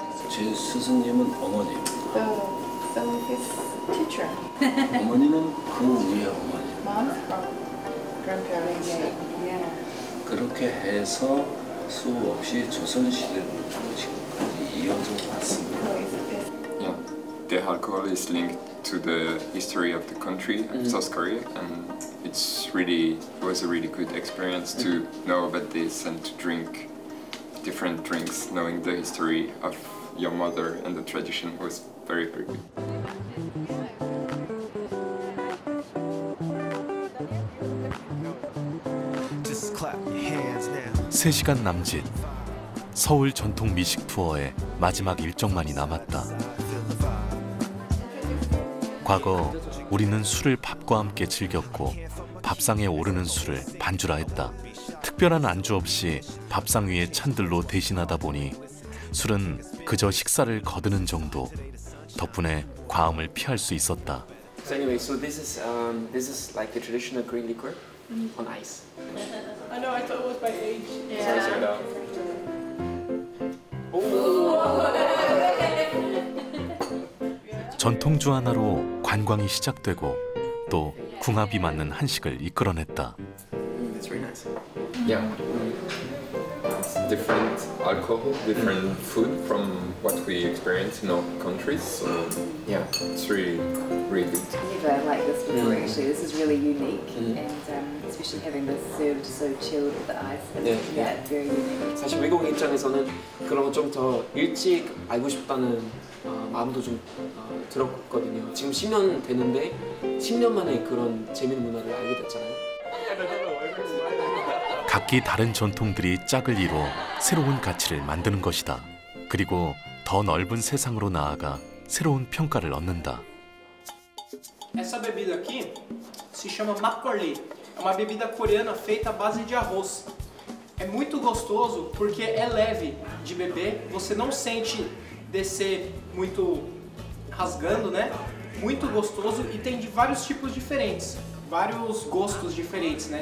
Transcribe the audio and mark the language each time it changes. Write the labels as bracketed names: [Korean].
[Korean] 제 스승님은 어머니입니다. [English] So his teacher. 어머니는 그 우리의 어머니. Mom's grandparents. [Korean] 그렇게 해서 수없이 조선시대부터 지금까지 이어져 왔습니다. [English] Yeah, the alcohol is linked to the history of the country, South Korea, and it was a really good experience to know about this and to drink different drinks, knowing the history of your mother and the tradition was very, very good. [Korean] 3시간 남짓 서울 전통 미식 투어의 마지막 일정만이 남았다. 과거 우리는 술을 밥과 함께 즐겼고 밥상에 오르는 술을 반주라 했다. 특별한 안주 없이 밥상 위에 찬들로 대신하다 보니 술은 그저 식사를 거드는 정도. 덕분에 과음을 피할 수 있었다. [English] So anyway, so this is like the traditional green liquor on ice. I know, I thought it was by age. Yeah. [Korean] 전통주 하나로 관광이 시작되고 또 궁합이 맞는 한식을 이끌어냈다. [English] It's very nice. Yeah. Different alcohol, different food from what we experience in other countries. So, yeah, it's really, really good. I've never liked this before, actually. This is really unique. And especially having this served so chilled with the ice. Yeah, very unique. [Korean] 사실 외국 입장에서는 그런 좀 더 일찍 알고 싶다는 마음도 좀 들었거든요. 지금 10년 되는데 10년 만에 그런 재미있는 문화를 알게 됐잖아요. 각기 다른 전통들이 짝을 이루어 새로운 가치를 만드는 것이다. 그리고 더 넓은 세상으로 나아가 새로운 평가를 얻는다. [Portuguese] Essa bebida aqui se chama makgeolli. É uma bebida coreana feita à base de arroz. É muito gostoso porque é leve de beber. Você não sente descer muito rasgando, né? Muito gostoso e tem de vários tipos diferentes, vários gostos diferentes, né?